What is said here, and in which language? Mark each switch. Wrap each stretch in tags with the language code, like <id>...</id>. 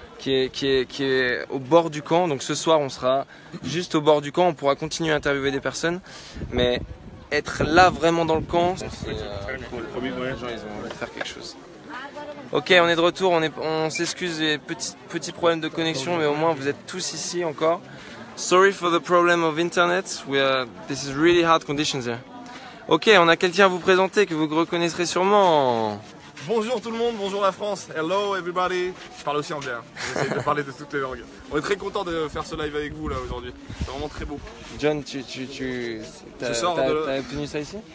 <fr>Qui est au bord du camp. Donc ce soir on sera juste au bord du camp, on pourra continuer à interviewer des personnes, mais être là vraiment dans le camp, ils vont faire quelque chose. Ok, on est de retour, on s'excuse des petits problèmes de connexion, mais au moins vous êtes tous ici encore.</fr> <en>Sorry for the problem of internet, this is really hard conditions here.</en> <fr>Ok, on a quelqu'un à vous présenter que vous reconnaîtrez sûrement. Bonjour tout le monde, bonjour la France,</fr> <en>hello everybody.</en> <fr>Je parle aussi anglais, j'essaie de parler de toutes les langues. On est très content de faire ce live avec vous là aujourd'hui, c'est vraiment très beau. John, t'as obtenu ça ici?</fr>